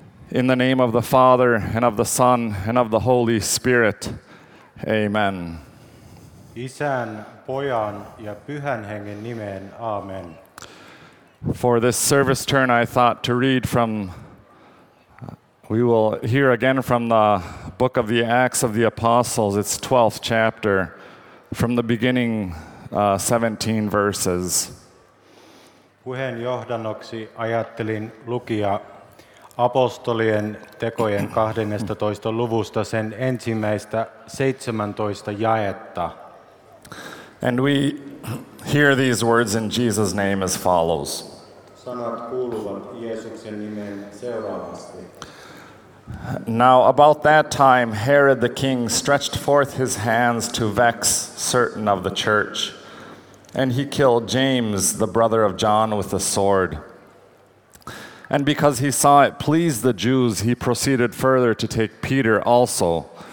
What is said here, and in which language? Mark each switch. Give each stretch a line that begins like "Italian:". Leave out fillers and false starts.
English: In the name of the Father, and of the Son, and of the Holy Spirit. Amen.
Finnish: Isän, Pojan ja Pyhän Hengen nimeen. Amen.
English: For this service turn, I thought to read from, we will hear again from the book of the Acts of the Apostles, its 12th chapter, from the beginning, 17 verses.
Finnish: Puheen johdannoksi ajattelin lukia apostolien tekojen 12. luvusta sen ensimmäistä 17 jaetta.
English: And we hear these words in Jesus' name as follows.
Finnish: Sanat kuuluvat Jeesuksen nimen seuraavasti.
English: Now about that time Herod the king stretched forth his hands to vex certain of the church. And he killed James, the brother of John, with a sword. And because he saw it pleased the Jews, he proceeded further to take Peter also.